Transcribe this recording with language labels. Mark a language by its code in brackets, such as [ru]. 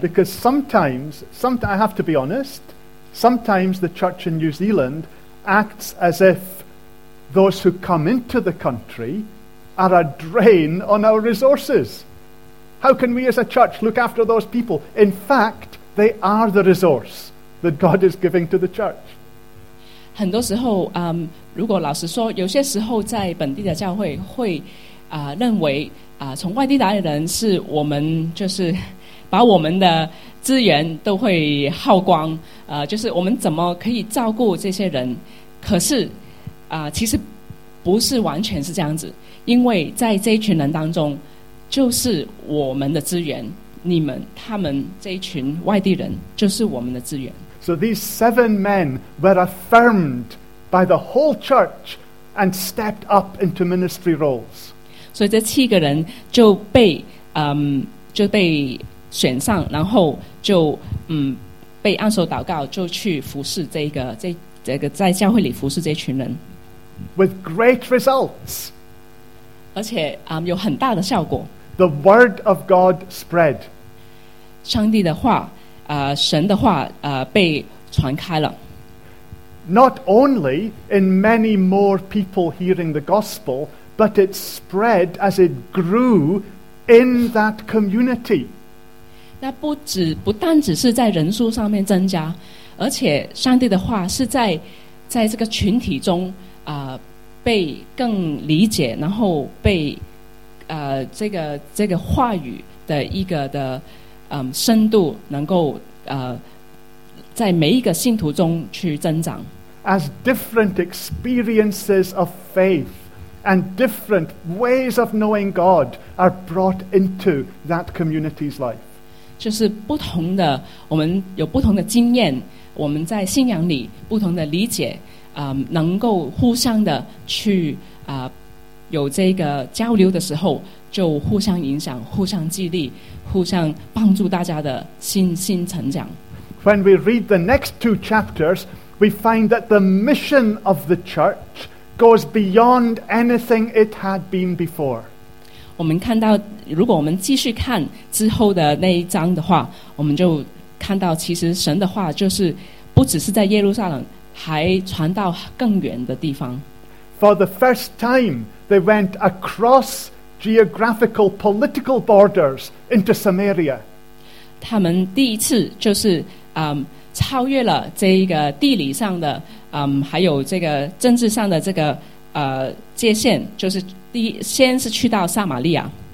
[en] Because sometimes, I have to be honest, sometimes the church in New Zealand acts as if those who come into the country are a drain on our resources. How can we as a church look after those people? In fact, they are the resource that God is giving to the church. [zh] 很多时候, 如果老实说, 有些时候在本地的教会 会, 认为, 从外地来的人是 我们就是 把我们的资源都会耗光, 就是我们怎么可以照顾这些人, 可是, 其实不是完全是这样子, 因为在这一群人当中就是我们的资源，你们他们这一群外地人就是我们的资源。 [en] So these seven men were affirmed by the whole church and stepped up into ministry roles. [zh] 所以这七个人就被就被选上，然后就被按手祷告，就去服侍这个这个在教会里服侍这群人。 [en] With great results. [zh] 而且有很大的效果。 [en] The word of God spread. [zh] 上帝的话神的话被传开了。 [en] Not only in many more people hearing the gospel, but it spread as it grew in that community. [zh] 那不单只是在人数上面增加，而且上帝的话是在这个群体中被更理解，然后被这个话语的一个的深度能够在每一个信徒中去增长。 [en] As different experiences of faith and different ways of knowing God are brought into that community's life. [zh] 就是不同的，我们有不同的经验，我们在信仰里不同的理解，能够互相的去有这个交流的时候，就互相影响，互相激励，互相帮助大家的信心成长。 [en] When we read the next two chapters,we find that the mission of the church goes beyond anything it had been before. [zh] 我们看到，如果我们继续看之后的那一章的话，我们就看到其实神的话就是不只是在耶路撒冷，还传到更远的地方。 [en] For the first time, they went across geographical, political borders into Samaria. [zh] 他们第一次就是超越了这一个地理上的还有这个政治上的这个界限，就是先是去到撒玛利亚。